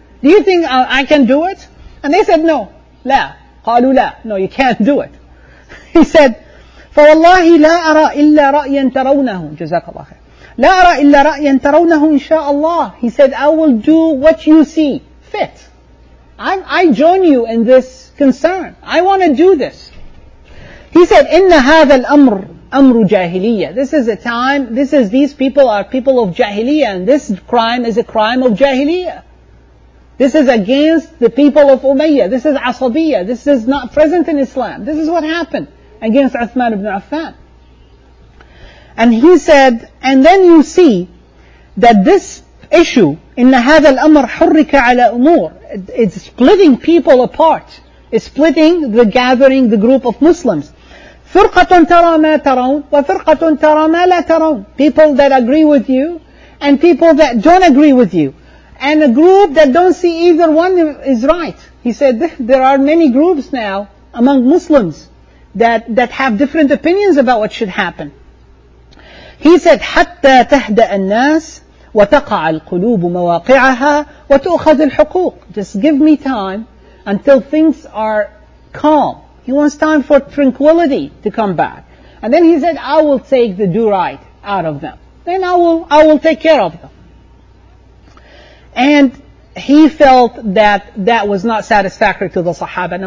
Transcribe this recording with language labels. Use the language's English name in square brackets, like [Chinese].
[English] Do you think I can do it? And they said, no. La. [Arabic] قالوا لا. [English] No, you can't do it. He said, [Arabic] فَوَاللَّهِ لَا أَرَى إِلَّا رَأْيًا تَرَوْنَهُ جَزَاكَ اللَّهُ خَيْرًا لَا أَرَى إِلَّا رَأْيًا تَرَوْنَهُ إِنْ شَاءَ اللَّهُ. [English] He said, I will do what you see fit. I join you in this concern. I want to do this. He said, [Arabic] إِنَّ هَذَا الْأَمْرُ أَمْرُ جَاهِلِيَّةِ. [English] This is a time, these people are people of Jahiliyyah, and this crime is a crime of Jahiliyyah. This is against the people of Umayyah. This is Asabiyyah. This is not present in Islam. This is what happened against Uthman ibn Affan. And he said, and then you see that this issue, [Arabic] إِنَّ هَذَا الْأَمْرَ حُرِّكَ عَلَى أُمُورٍ. [English] It's splitting people apart. It's splitting the gathering, the group of Muslims. [Arabic] فِرْقَةٌ تَرَى مَا تَرَوْنَ وَفِرْقَةٌ تَرَى مَا لَا تَرَوْنَ. [English] People that agree with you and people that don't agree with you, and a group that don't see either one is right. He said, there are many groups now among Muslims that have different opinions about what should happen. He said, [Arabic] حَتَّى تَهْدَأَ النَّاسِ وَتَقَعَ الْقُلُوبُ مَوَاقِعَهَا وَتُؤْخَذِ الْحُقُوقِ. [English] Just give me time until things are calm. He wants time for tranquility to come back. And then he said, I will take the do right out of them. Then I will take care of them. And he felt that that was not satisfactory to the Sahaba.